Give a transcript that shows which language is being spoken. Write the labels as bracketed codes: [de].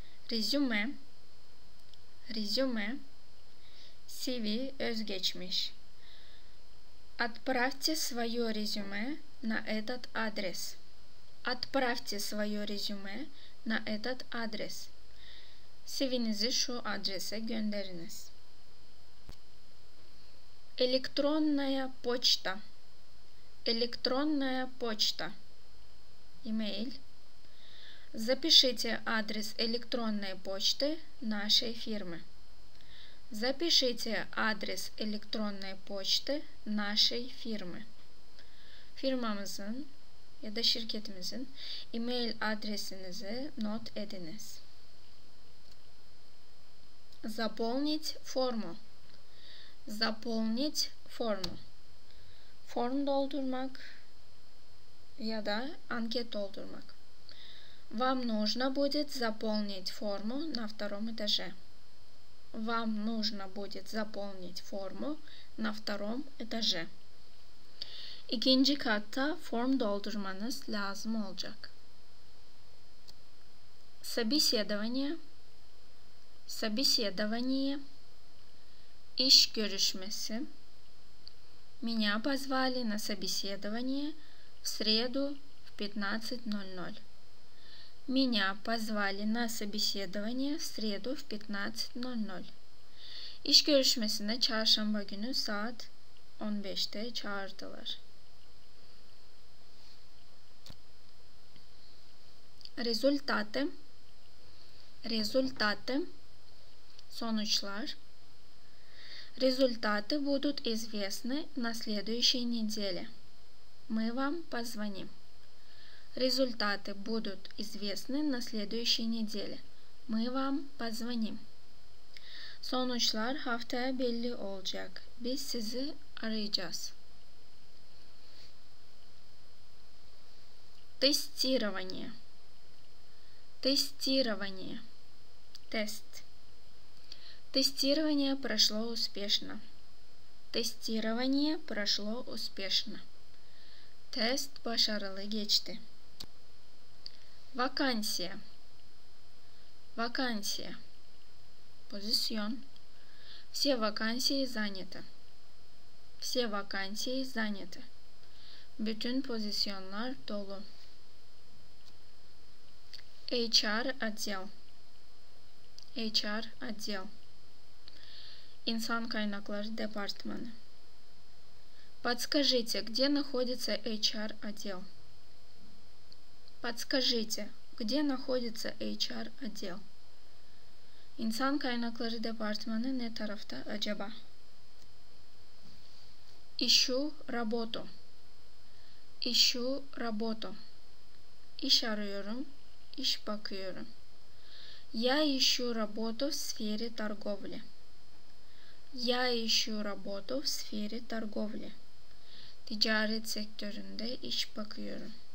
[ru] Резюме. Резюме. CV – [tr] özgeçmiş. [ru] Отправьте свое резюме на этот адрес. Отправьте свое резюме на этот адрес. [tr] CV'nizi şu adrese gönderiniz. [ru] Электронная почта. Электронная почта. Email. Запишите адрес электронной почты нашей фирмы. Запишите адрес электронной почты нашей фирмы. [tr] Фирмамызın ya da şirketimizin email adresinizi not ediniz. [ru] Заполнить форму. Заполнить форму. [tr] Форм doldurmak ya da anket doldurmak. [ru] Вам нужно будет заполнить форму на втором этаже. Вам нужно будет заполнить форму на втором этаже. [tr] İkinci katta form doldurmanız lazım olacak. [ru] Собеседование. Собеседование. [tr] İş görüşmesi. [ru] Меня позвали на собеседование в среду в 15:00. Меня позвали на собеседование в среду в 15:00. [tr] İş görüşmesine çarşamba günü saat 15'te çağırdılar. [ru] Результаты. Результаты. Sonuçlar. Результаты будут известны на следующей неделе. Мы вам позвоним. Результаты будут известны на следующей неделе. Мы вам позвоним. [tr] Sonuçlar haftaya belli olacak. Biz sizi arayacağız. [ru] Тестирование. Тестирование. Тест. Тестирование прошло успешно. Тестирование прошло успешно. [tr] Тест başarılı geçti. [ru] Вакансия. Вакансия. Позисьон. Все вакансии заняты. Все вакансии заняты. [tr] Bütün pozisyonlar dolu. [ru] HR отдел. HR отдел. [tr] İnsan kaynakları departmanı. [ru] Подскажите, где находится HR отдел? Подскажите, где находится HR отдел? [tr] İnsan kaynakları departmanı ne tarafta acaba? [ru] İşu работу. İşu работу. [tr] İş arıyorum. İş bakıyorum. [ru] Я ищу работу в сфере торговли. Я ищу работу в сфере торговли. [tr] Ticaret sektöründe iş bakıyorum.